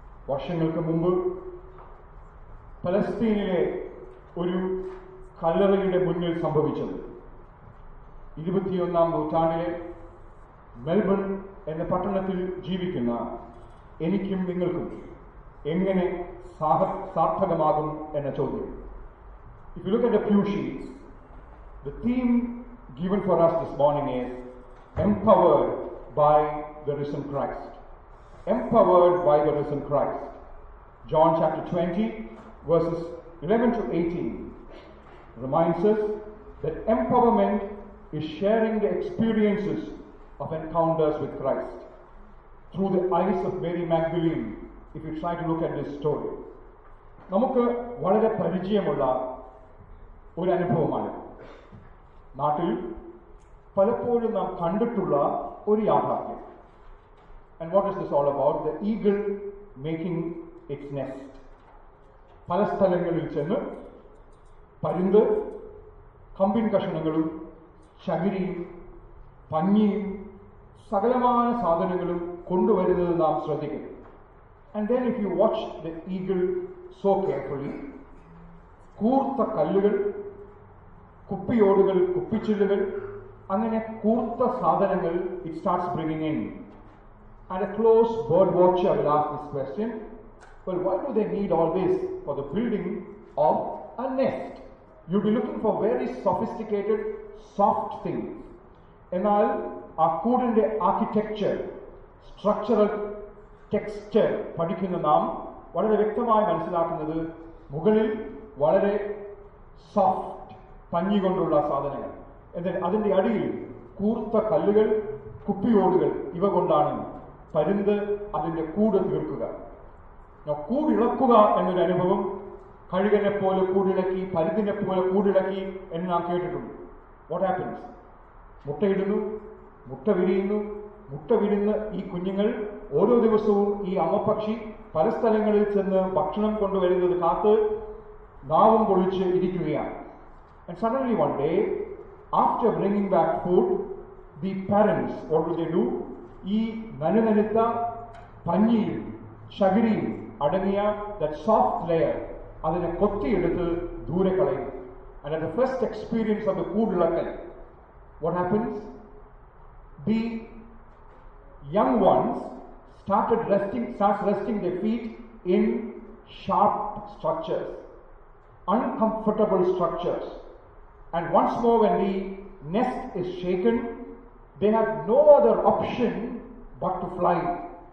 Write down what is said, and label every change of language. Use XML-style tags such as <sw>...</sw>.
<ml>വർഷങ്ങൾക്ക് മുമ്പ് പലസ്തീനിലെ ഒരു കല്ലറയുടെ മുന്നിൽ സംഭവിച്ചത്, 21-ാം നൂറ്റാണ്ടിലെ മെൽബൺ എന്ന പട്ടണത്തിൽ ജീവിക്കുന്ന എനിക്കും നിങ്ങൾക്കും എങ്ങനെ സാർത്ഥകമാകും എന്ന ചോദ്യം.</ml> <en>If you look at the pew sheets, the theme given for us this morning is Empowered by the Risen Christ. Empowered by the Risen Christ. John chapter 20 verses 11 to 18 reminds us that empowerment is sharing the experiences of encounters with Christ. Through the eyes of Mary Magdalene, if you try to look at this story,</en> <ml>നമുക്ക് വളരെ പരിചയമുള്ള ഒരു അനുഭവമാണ്. നാട്ടിൽ പലപ്പോഴും നാം കണ്ടിട്ടുള്ള ഒരു യാഥാർത്ഥ്യം.</ml> <en>And what is this all about? The eagle making its nest.</en> <ml>പല സ്ഥലങ്ങളിൽ ചെന്ന് പരുന്ത് കമ്പിൻ കഷണങ്ങളും ചകിരിയും പഞ്ഞിയും സകലമായ സാധനങ്ങളും കൊണ്ടുവരുന്നത് നാം ശ്രദ്ധിക്കും.</ml> <en>And then if you watch the eagle so carefully,</en> <ml>കൂർത്ത കല്ലുകൾ, കുപ്പിയോടുകൾ, കുപ്പിച്ചില്ലുകൾ, അങ്ങനെ കൂർത്ത സാധനങ്ങൾ</ml> <en>It starts bringing in. And a close bird watcher will ask this question, well, why do they need all this for the building of a nest? You'll be looking for very sophisticated, soft things.</en> <ml>എന്നാൽ ആ കൂടിന്റെ architecture, structural texture പഠിക്കുന്ന നാം വളരെ വ്യക്തമായി മനസ്സിലാക്കുന്നത് മുകളിൽ വളരെ soft പഞ്ഞി കൊണ്ടുള്ള സാധനങ്ങൾ, എന്നാൽ അതിൻ്റെ അടിയിൽ കൂർത്ത കല്ലുകൾ, കുപ്പിയോടുകൾ, ഇവ കൊണ്ടാണ് പരുന്ത് അതിൻ്റെ കൂട് തീർക്കുക. കൂടിളക്കുക എന്നൊരു അനുഭവം, കഴുകനെ പോലെ കൂടിളക്കി, പരുന്തിനെ പോലെ കൂടിളക്കി എന്ന് നാം കേട്ടിട്ടുണ്ട്.</ml> <en>What happens?</en> <ml>മുട്ടയിടുന്നു, മുട്ട വിരിയുന്നു, മുട്ട വിരുന്ന ഈ കുഞ്ഞുങ്ങൾ ഓരോ ദിവസവും ഈ അമ്മപ്പക്ഷി പല സ്ഥലങ്ങളിൽ ചെന്ന് ഭക്ഷണം കൊണ്ടുവരുന്നത് കാത്ത് നാവും പൊളിച്ച് ഇരിക്കുകയാണ്.</ml> <en>And suddenly one day, after bringing back food, the parents, what do they do?</en> <ml>ഈ നനുനനുത്ത പഞ്ഞിയും ചകിരിയും അടങ്ങിയ</ml> <en>that soft layer,</en> <ml>അതിനെ കൊത്തിയെടുത്ത് ദൂരെ കളയും.</ml> <en>And at the first experience of the കൂടിളക്കൽ, what happens? The young ones starts resting their feet in sharp structures, uncomfortable structures. And once more, when the nest is shaken, they have no other option but to fly.</en>